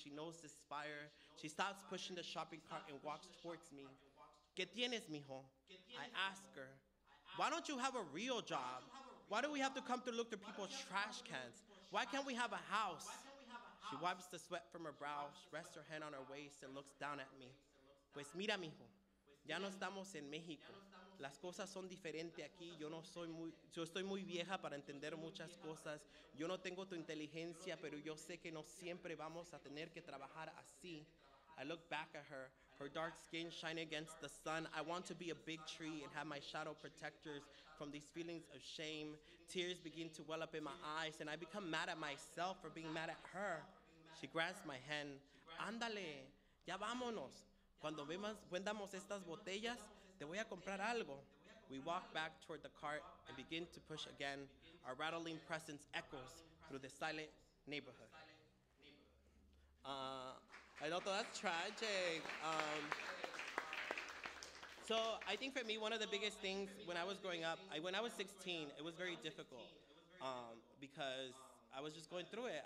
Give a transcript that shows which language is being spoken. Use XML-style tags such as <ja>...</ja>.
<en>She knows this fire. She stops pushing the shopping cart and walks towards me.</en> <es>¿Qué tienes, mijo?</es> <en>I ask her, why don't you have a real job? Why do we have to come to look through people's trash cans? Why can't we have a house? She wipes the sweat from her brow, rests her hand on her waist, and looks down at me.</en> <es>Pues mira, mijo, ya no estamos en México. Las cosas son diferentes aquí. Yo estoy muy vieja para entender muchas cosas. Yo no tengo tu inteligencia, pero yo sé que no siempre vamos a tener que trabajar así.</es> <en>I look back at her, her dark skin shining against the sun. I want to be a big tree and have my shadow protectors from these feelings of shame. Tears begin to well up in my eyes, and I become mad at myself for being mad at her. She grabs my hand.</en> <es>Ándale, ya vámonos. Cuando vendamos estas botellas, te voy a comprar algo.</es> <en>We walk back toward the cart and begin to push again. Our rattling presence echoes through the silent neighborhood. I know that's tragic. So I think for me, one of the biggest things when I was growing up, when I was 16, it was very difficult because I was just going through it.</en>